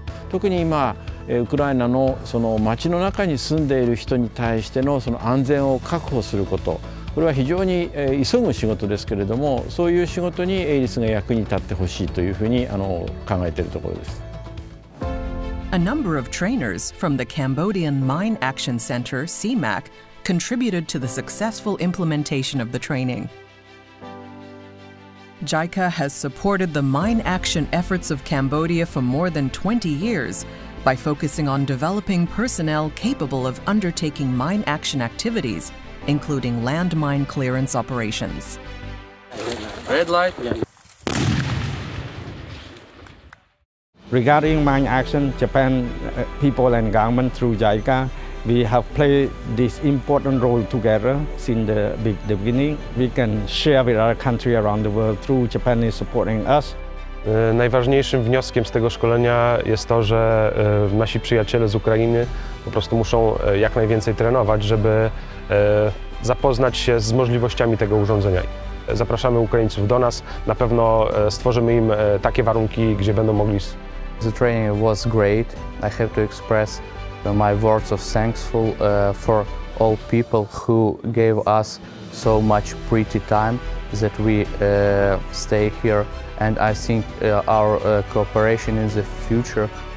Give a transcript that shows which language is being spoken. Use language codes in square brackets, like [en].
[ja] 特に今、ウクライナのその町の中に住んでいる人に対してのその安全を確保すること、これは非常に急ぐ仕事ですけれども、そういう仕事にエイリスが役に立ってほしいというふうに考えているところです。 [en] A number of trainers from the Cambodian Mine Action Center, CMAC, contributed to the successful implementation of the training. JICA has supported the mine action efforts of Cambodia for more than 20 years by focusing on developing personnel capable of undertaking mine action activities, including landmine clearance operations. Red light. Regarding mine action, Japan people and government through JICA, we have played this important role together since the beginning. We can share with other countries around the world through Japanese supporting us. [pl] Najważniejszym wnioskiem z tego szkolenia jest to, że nasi przyjaciele z Ukrainy po prostu muszą jak najwięcej trenować, żeby zapoznać się z możliwościami tego urządzenia. Zapraszamy Ukraińców do nas. Na pewno stworzymy im takie warunki, gdzie będą mogli. [en] The training was great. I have to express my words of thankful for all people who gave us so much pretty time that we stay here. And I think our cooperation in the future.